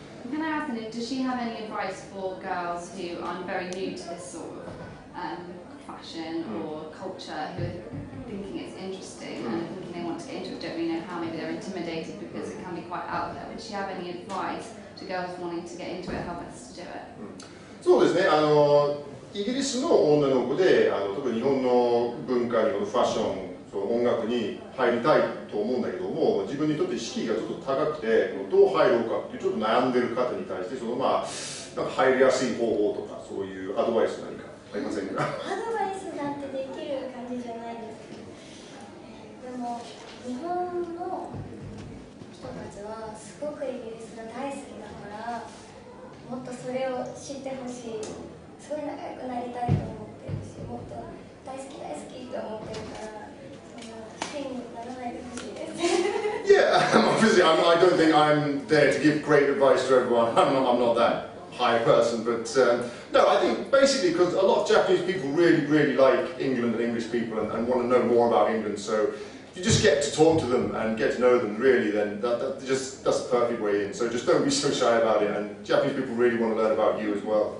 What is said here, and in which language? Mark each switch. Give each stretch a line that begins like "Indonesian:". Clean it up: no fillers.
English: Can I ask, does she have any advice for girls who are very new to this sort of fashion or culture, who are thinking it's interesting and thinking they want to get into it, don't really know how, maybe they're intimidated because it can be quite out there. Would she have any advice to girls wanting to get into it, how best to do it?
Japanese: そうですね、イギリスの女の子で特に日本の文化によるファッション、その音楽に入りたいと思うんだけども、自分にとって敷居がちょっと高くて、どう入ろうかってちょっと悩んでる方に対して、その、まあ、なんか入りやすい方法とか、そういうアドバイス何かありませんか？アドバイスなんてできる感じじゃないですけど、でも、日本の人たちはすごくイギリスが大好きだから、もっとそれを知ってほしい、すごい仲良くなりたいと思ってるし、もっと大好き大好きと思ってるから、その変にならないでほしいです。
English: Obviously, I don't think I'm there to give great advice to everyone. I'm not that high person, but no, I think basically because a lot of Japanese people really, really like England and English people and want to know more about England. So if you just get to talk to them and get to know them, really, then that's the perfect way in. So just don't be so shy about it. And Japanese people really want to learn about you as well.